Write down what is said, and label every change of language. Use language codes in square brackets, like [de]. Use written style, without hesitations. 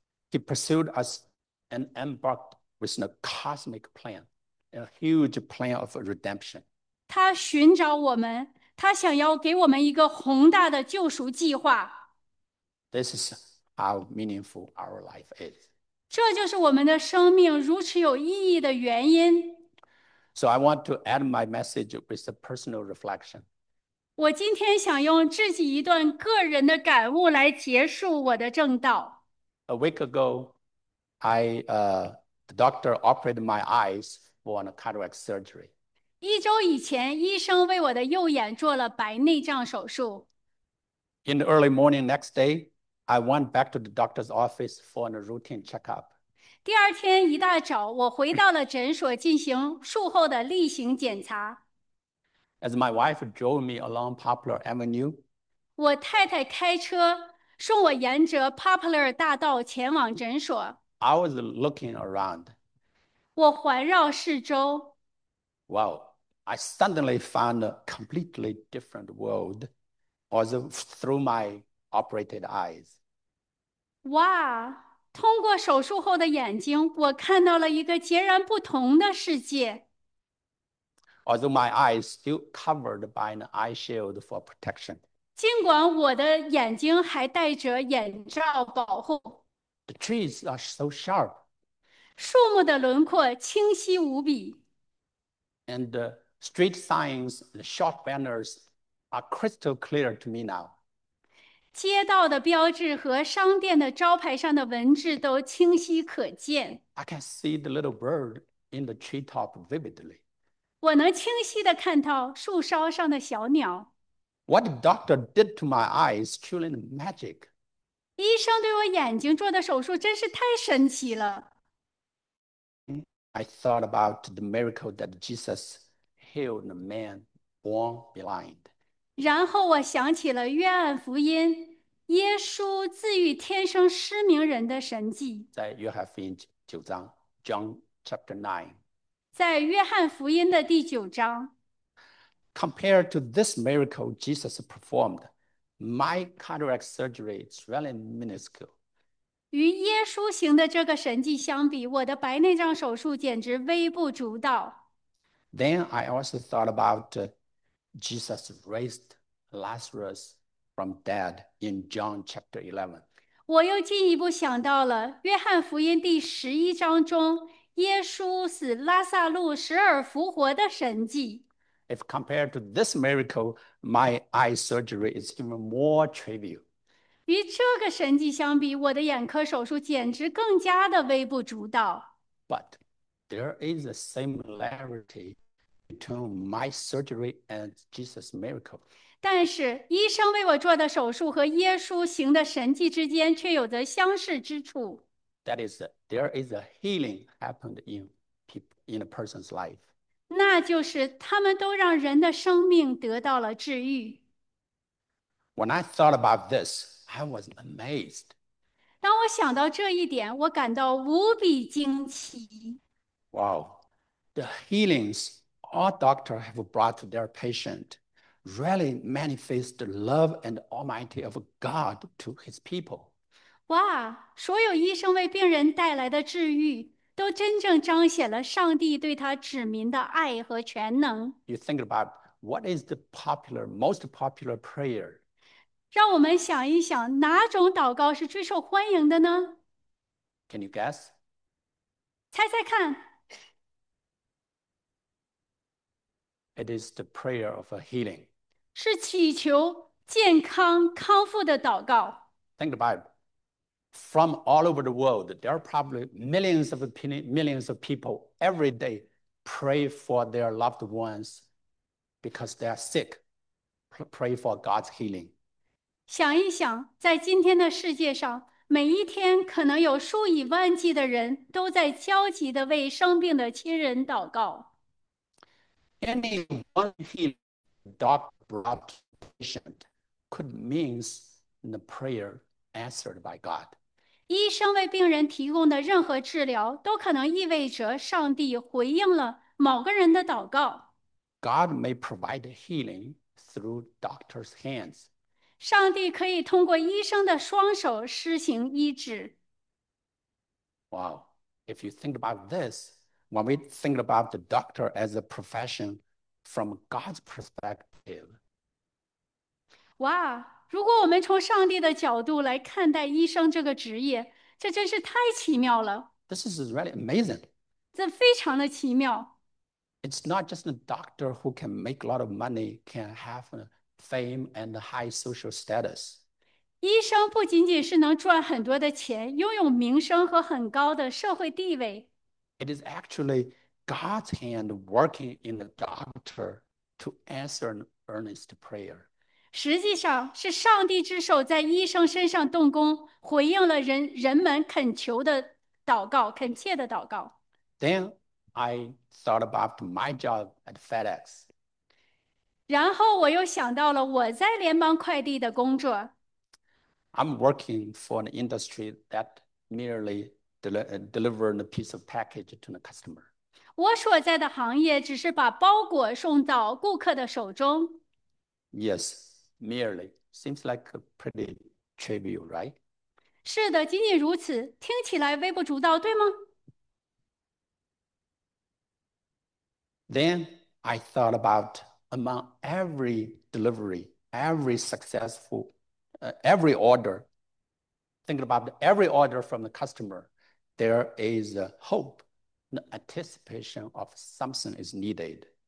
[en] He pursued us and embarked with a cosmic plan, a huge plan of redemption. [zh] 他寻找我们，他想要给我们一个宏大的救赎计划。 [en] This is how meaningful our life is. [zh] 这就是我们的生命如此有意义的原因。 [en] So I want to end my message with a personal reflection. [zh] 我今天想用自己一段个人的感悟来结束我的正道。 [en] A week ago, the doctor operated my eyes for a cataract surgery. [zh] 1周以前，医生为我的右眼做了白内障手术。 [en] In the early morning next day, I went back to the doctor's office for a routine checkup. [zh] 第二天一大早，我回到了诊所进行术后的例行检查。 [en] As my wife drove me along Poplar Avenue, [zh] 我太太开车送我沿着 Poplar 大道前往诊所。 [en] I was looking around. [zh] 我环绕四周。 [en] Wow, I suddenly found a completely different world also through my operated eyes. [zh] 哇，通过手术后的眼睛，我看到了一个截然不同的世界。 [en] Although my eyes still covered by an eye shield for protection. [zh] 尽管我的眼睛还戴着眼罩保护， [en] The trees are so sharp. [zh] 树木的轮廓清晰无比。 [en] And the street signs, the short banners are crystal clear to me now. [zh] 街道的标志和商店的招牌上的文字都清晰可见。 [en] I can see the little bird in the treetop vividly. [zh] 我能清晰地看到树梢上的小鸟。 [en] What the doctor did to my eyes is truly magic. [zh] 医生对我眼睛做的手术真是太神奇了。 [en] I thought about the miracle that Jesus healed the man born blind. [zh] 然后我想起了约翰福音，耶稣治愈天生失明人的神迹。在约翰福音9章， [en] John chapter 9. [zh] 在约翰福音的第九章。 [en] Compared to this miracle Jesus performed, my cataract surgery is really minuscule. [zh] 与耶稣行的这个神迹相比，我的白内障手术简直微不足道。 [en] Then I also thought about Jesus raised Lazarus from dead in John chapter 11. [zh] 我又进一步想到了《约翰福音》第11章中耶稣使拉萨路死而复活的神迹。 [en] If compared to this miracle, my eye surgery is even more trivial. [zh] 与这个神迹相比，我的眼科手术简直更加的微不足道。 [en] But there is a similarity between my surgery and Jesus' miracle. [zh] 但是，医生为我做的手术和耶稣行的神迹之间却有着相似之处。 [en] That is, there is a healing happened in people, in a person's life. [zh] 那就是他们都让人的生命得到了治愈。 [en] When I thought about this, I was amazed. [zh] 当我想到这一点，我感到无比惊奇。 [en] Wow, the healings all doctors have brought to their patient really manifest the love and almighty of God to his people. [zh] 哇，所有医生为病人带来的治愈，都真正彰显了上帝对他子民的爱和全能。 [en] You think about what is the popular, most popular prayer? [zh] 让我们想一想，哪种祷告是最受欢迎的呢？ [en] Can you guess? [zh] 猜猜看。 [en] It is the prayer of a healing. [zh] 是祈求健康康复的祷告。 [en] Think about it. From all over the world, there are probably millions of people every day pray for their loved ones because they are sick. Pray for God's healing. [zh] 想一想，在今天的世界上，每一天可能有数以万计的人都在焦急地为生病的亲人祷告。 [en] Any one healing doctor brought to the patient could mean the prayer answered by God. [zh] 医生为病人提供的任何治疗，都可能意味着上帝回应了某个人的祷告。 [en] God may provide healing through doctors' hands. [zh] 上帝可以通过医生的双手施行医治。 [en] Wow, if you think about this, when we think about the doctor as a profession from God's perspective, [zh] 哇，如果我们从上帝的角度来看待医生这个职业，这真是太奇妙了。 [en] This is really amazing. [zh] 这非常的奇妙。 [en] It's not just a doctor who can make a lot of money, can have fame and high social status. [zh] 医生不仅仅是能赚很多的钱，拥有名声和很高的社会地位。 [en] It is actually God's hand working in the doctor to answer an earnest prayer. [zh] 实际上是上帝之手在医生身上动工，回应了人们恳求的祷告，恳切的祷告。 [en] Then I thought about my job at FedEx. [zh] 然后我又想到了我在联邦快递的工作。 [en] I'm working for an industry that merely delivers a piece of package to the customer. [zh] 我所在的行业只是把包裹送到顾客的手中。 [en] Yes, merely. Seems like a pretty trivial, right? [zh] 是的，仅仅如此，听起来微不足道，对吗？ [en] Then I thought about among every delivery, every successful, every order, thinking about every order from the customer, there is a hope, an anticipation of something is needed.